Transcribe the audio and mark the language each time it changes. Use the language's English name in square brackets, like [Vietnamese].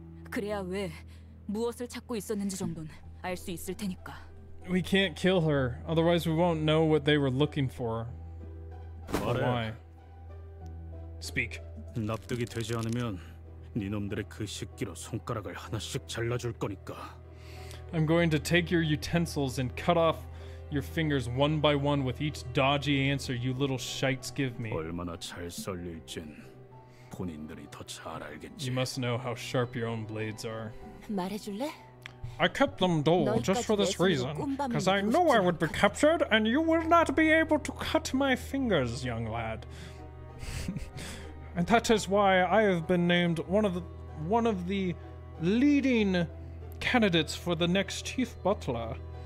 [Korean] 그래야 왜 무엇을 찾고 있었는지 정도는 알 수 있을 테니까. [English] We can't kill her. Otherwise, we won't know what they were looking for. But why? Speak. [Korean] 납득이 되지 않으면 니놈들의 그 식기로 손가락을 하나씩 잘라줄 거니까. [English] I'm going to take your utensils and cut off your fingers one by one with each dodgy answer you little shites give me. [Korean] 얼마나 잘 썰릴진 본인들이 더 잘 알겠지. [English] You must know how sharp your own blades are. [Korean] 말해줄래? [English] I kept them dull just for this reason, because I know I would be captured and you will not be able to cut my fingers, young lad. And that is why I have been named one of the leading candidates for the next chief butler.